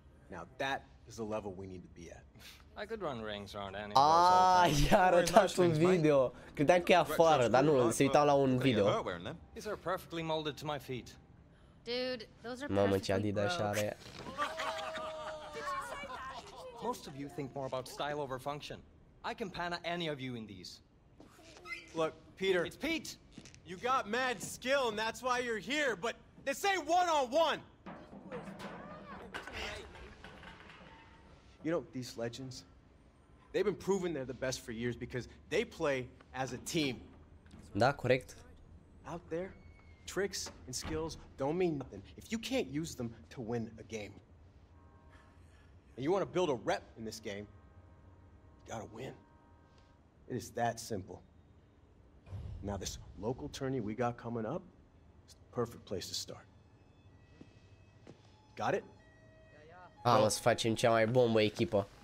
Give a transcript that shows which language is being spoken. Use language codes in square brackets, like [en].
[en] Now that is the level we need to be at. I could run rings around anywhere. [ro] Ah, iar arătat un video. Credeam că e afară, dar nu, se uitau la un video. [en] These are perfectly molded to my feet. Dude, those are perfect. [ro] Mamă, ce Adidas are. [en] Most of you think more about style over function. I can pan any of you in these. Look, Peter. It's Pete. You got mad skill and that's why you're here, but they say one on one. You know these legends? They've been proven they're the best for years because they play as a team. [ro] Da, corect. [en] Out there, tricks and skills don't mean nothing if you can't use them to win a game. And you want to build a rep in this game, you gotta win. It is that simple. Now this local tourney we got coming up, perfect place to start. Got it? Yeah, yeah. [ro] Să facem cea mai bombă echipă.